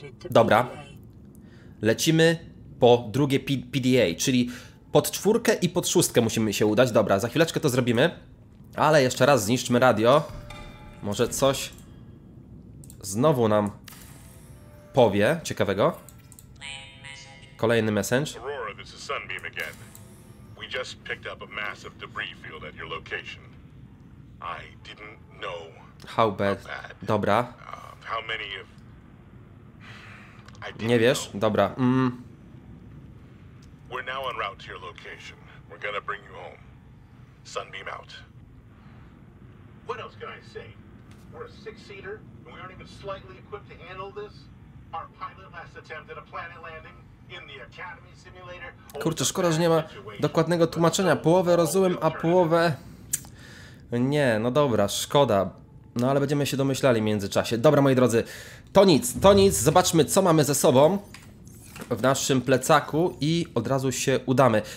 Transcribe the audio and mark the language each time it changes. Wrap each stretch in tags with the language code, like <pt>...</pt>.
<pl>Dobra. Lecimy po drugie PDA, czyli pod 4 i pod 6 musimy się udać. Dobra, za chwileczkę to zrobimy. Ale jeszcze raz zniszczmy radio. Może coś znowu nam powie ciekawego. Kolejny message. Aurora, to jest Sunbeam again.</pl> <en>We just picked up a massive debris field at your location. I didn't know. How bad? Dobra. How many of...</en> <pl>Nie wiesz? Dobra.</pl> <en>We're now en route to your location. We're gonna bring you home. Sunbeam out. What else can I say? We're a six-seater, and we aren't even slightly equipped to handle this. Our pilot last attempted a planet landing in the Academy simulator.</en> <pl>Kurczę, szkoda, że nie ma dokładnego tłumaczenia. Połowę rozumiem, a połowę... Nie, no dobra, szkoda. No ale będziemy się domyślali w międzyczasie. Dobra, moi drodzy, to nic. Zobaczmy, co mamy ze sobą w naszym plecaku i od razu się udamy.</pl>